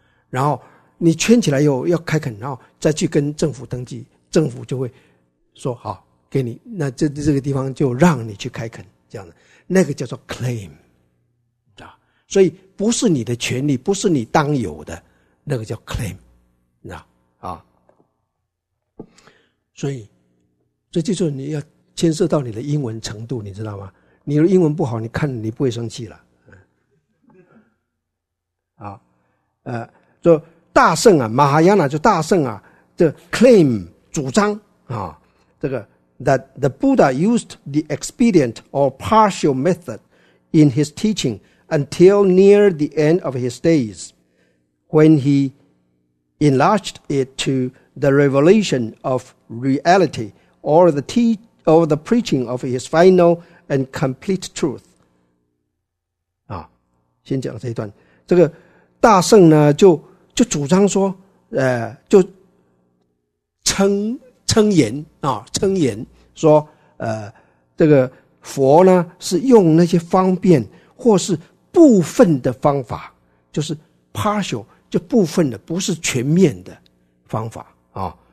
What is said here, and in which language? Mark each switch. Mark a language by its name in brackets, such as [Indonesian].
[Chinese] 然后你圈起来又要开垦，然后再去跟政府登记，政府就会说好给你，那这个地方就让你去开垦，这样的，那个叫做 claim， 知道？所以不是你的权利，不是你当有的，那个叫 claim， 知道？啊，所以就是你要牵涉到你的英文程度，你知道吗？你的英文不好，你看你不会生气了，啊，就大圣啊，马哈亚那就大圣啊，这 claim 主张啊，这个 [English] that the Buddha used the expedient or partial method in his teaching until near the end of his days, when he enlarged it to the revelation of reality or the preaching of his final and complete truth。 [Chinese] 啊，先讲这一段，这个大圣呢就主张说，就称言说，这个佛呢是用那些方便或是部分的方法，就是 partial， 就部分的，不是全面的方法啊。